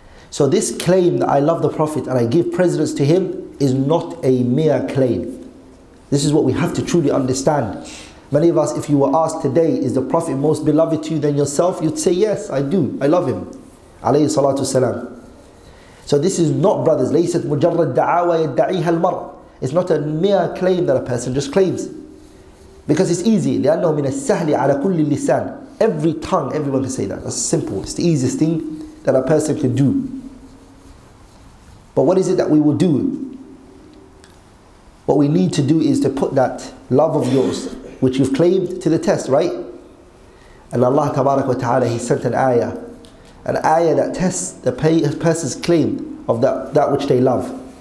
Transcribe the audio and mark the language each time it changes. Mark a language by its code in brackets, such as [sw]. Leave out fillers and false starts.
[en] So this claim that I love the Prophet and I give presents to him is not a mere claim. This is what we have to truly understand. Many of us, if you were asked today, is the Prophet most beloved to you than yourself? You'd say, yes, I do. I love him. Alayhi salatu salam. So this is not, brothers, [ar] ليست مجرد دعاوى يدعيها المرء. [en] It's not a mere claim that a person just claims. Because it's easy. [ar] لأنه من السهل على كل اللسان. [en] Every tongue, everyone can say that. That's simple. It's the easiest thing that a person can do. But what is it that we will do? What we need to do is to put that love of yours, which you've claimed, to the test, right? And Allah tabarak wa ta'ala, He sent an ayah that tests the person's claim of that which they love.